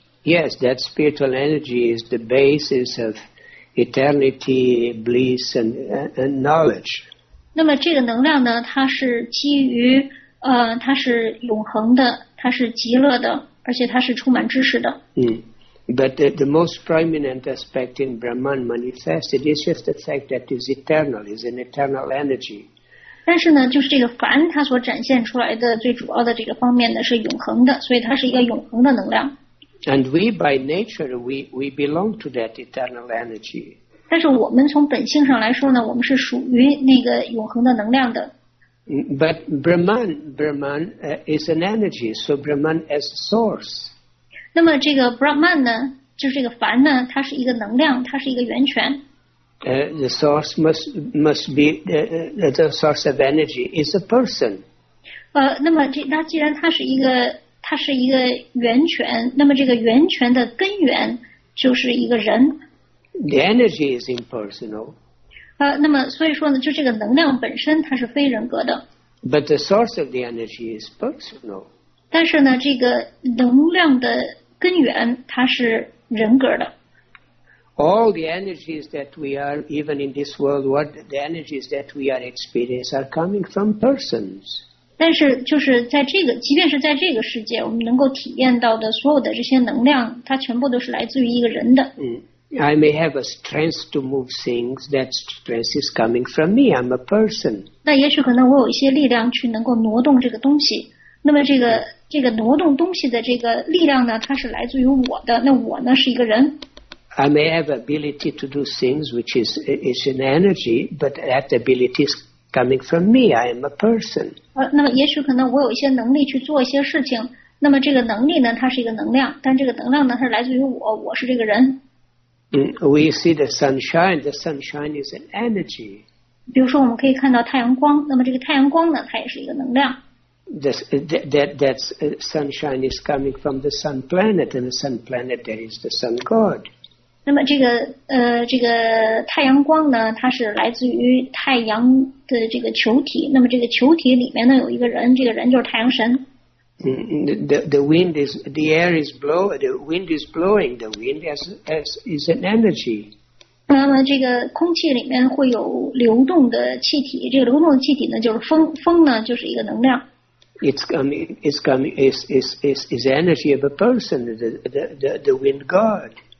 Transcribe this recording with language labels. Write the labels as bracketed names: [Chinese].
[English] Yes, that spiritual energy is the basis of eternity, bliss, and knowledge. [Chinese] 那么这个能量呢，它是基于它是永恒的，它是极乐的，而且它是充满知识的。 [English] But the most prominent aspect in Brahman manifested is just the fact that it's eternal, it's an eternal energy. [Chinese] 但是呢，就是这个凡它所展现出来的最主要的这个方面呢，是永恒的，所以它是一个永恒的能量。 [English] And we by nature, we belong to that eternal energy. [Chinese] 但是我们从本性上来说呢，我们是属于那个永恒的能量的。 [English] But Brahman is an energy, so Brahman as a source. [Chinese] 那么这个 Brahman 呢，就是这个梵呢，它是一个能量，它是一个源泉。 [English] The source must be the source of energy is a person. [Chinese] 那么这那既然它是一个源泉，那么这个源泉的根源就是一个人。 [English] The energy is impersonal. [Chinese] 那么所以说呢，就这个能量本身它是非人格的。 [English] But the source of the energy is personal. [Chinese] 但是呢，这个能量的根源它是人格的。 [English] All the energies that we are, even in this world, what the energies that we are experiencing are coming from persons. [Chinese] 但是就是在这个，即便是在这个世界，我们能够体验到的所有的这些能量，它全部都是来自于一个人的。 [English] I may have a strength to move things. That strength is coming from me. I'm a person. [Chinese] 那也许可能我有一些力量去能够挪动这个东西。那么这个挪动东西的这个力量呢，它是来自于我的，那我呢是一个人。 [English] I may have ability to do things which is an energy, but that ability is coming from me. I am a person. [Chinese] 那么也许可能我有一些能力去做一些事情，那么这个能力呢，它是一个能量，但这个能量呢，它是来自于我，我是这个人。 [English] We see the sunshine is an energy. [Chinese] 比如说我们可以看到太阳光，那么这个太阳光呢，它也是一个能量。 [English] That sunshine is coming from the sun planet, and the sun planet there is the sun god. [Chinese] 那么这个太阳光呢，它是来自于太阳的这个球体。那么这个球体里面呢，有一个人，这个人就是太阳神。 [English] The wind is the air is blow the wind is blowing the wind as is an energy. [Chinese] 那么这个空气里面会有流动的气体，这个流动的气体呢就是风，风呢就是一个能量。 [English] It's energy of a person, the wind god.